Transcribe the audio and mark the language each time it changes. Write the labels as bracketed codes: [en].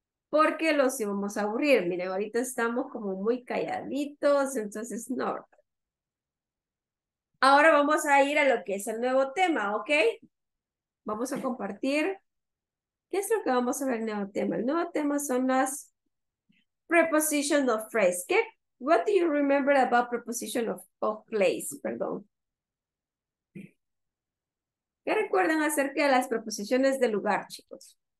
[es] porque los íbamos a aburrir. Miren, ahorita estamos como muy calladitos, entonces no. Ahora vamos a ir a lo que es el nuevo tema, ¿ok? Vamos a compartir. ¿Qué es lo que vamos a ver en el nuevo tema? El nuevo tema son las [en] prepositional phrases. [es] ¿Qué? [en] What do you remember about preposition of place? [es] Perdón. ¿Qué recuerdan acerca de las preposiciones de lugar, chicos?